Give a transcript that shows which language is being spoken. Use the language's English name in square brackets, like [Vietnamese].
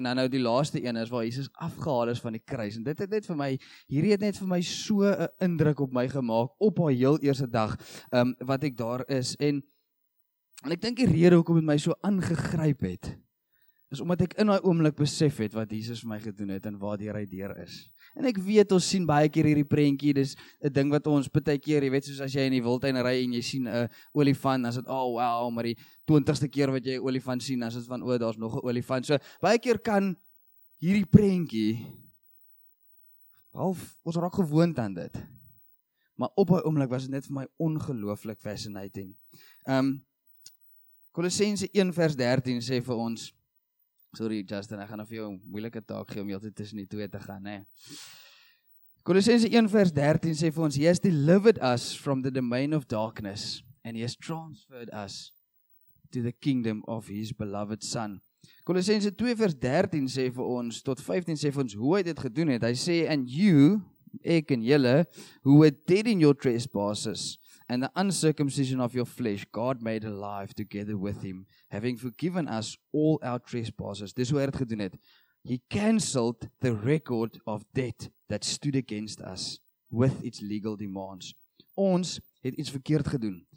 [Afrikaans] En dan nou die laaste een is waar Jesus afgehaal is van die kruis. En dit het net vir my, hierdie het net vir my so 'n indruk op my gemaak op haar heel eerste dag wat ek daar is. En ek dink die rede hoekom dit my so aangegryp het, is omdat ek in daai oomblik besef het wat Jesus vir my gedoen het en waardeur hy deur is. En ek weet, ons sien baie keer hierdie prentjie, dis 'n ding wat ons baie keer, jy weet, soos as jy in die wildtuin ry en jy sien 'n olifant, dan is dit, oh wow, maar die 20ste keer wat jy 'n olifant sien, dan is dit van, oh, daar's nog 'n olifant. So, baie keer kan hierdie prentjie, half, ons raak gewoond aan dit. Maar op hy oomblik was dit net vir my ongelooflik fascinating. Kolossense 1 vers 13 sê vir ons, sorry Justin, ek gaan vir jou een moeilike taak gee om jy altyd tussen die twee te gaan. Nee. Kolossense 1 vers 13 sê vir ons, [English] He has delivered us from the domain of darkness and He has transferred us to the kingdom of His beloved Son. [Afrikaans] Kolossense 2 vers 13 sê vir ons, tot 15 sê vir ons, hoe hy dit gedoen het. Hy sê, [English] and you, [Afrikaans] ek en julle, [English] who were dead in your trespasses and the uncircumcision of your flesh, God made alive together with Him, having forgiven us all our trespasses. [Afrikaans] Dis hoe hy het gedoen het. [English] He cancelled the record of debt that stood against us with its legal demands. [Afrikaans] Ons het iets verkeerd gedoen.